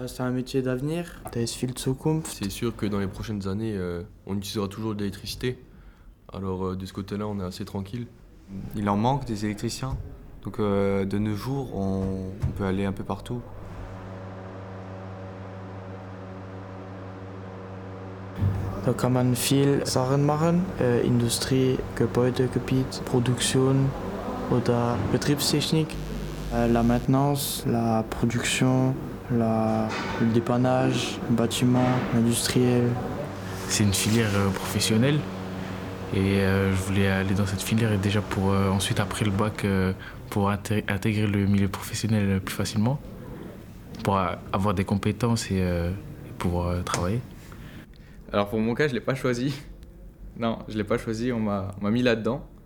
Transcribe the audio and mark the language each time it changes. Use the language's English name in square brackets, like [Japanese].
[French] C'est un métier d'avenir. [German] Das viel Zukunft. [French] C'est sûr que dans les prochaines années, on utilisera toujours de l'électricité. Alors de ce côté-là, on est assez tranquille. Il en manque des électriciens. Donc de nos jours, on peut aller un peu partout. [German] Da kann man viel Sachen machen, Industrie, Gebäudegebiet, Produktion oder Betriebstechnik, [French] la maintenance, la production, le dépannage, le bâtiment industriel. C'est une filière professionnelle et je voulais aller dans cette filière et déjà pour ensuite après le bac pour intégrer le milieu professionnel plus facilement, pour avoir des compétences et pouvoir travailler. Alors pour mon cas, je ne l'ai pas choisi. Non, je ne l'ai pas choisi, on m'a mis là-dedans.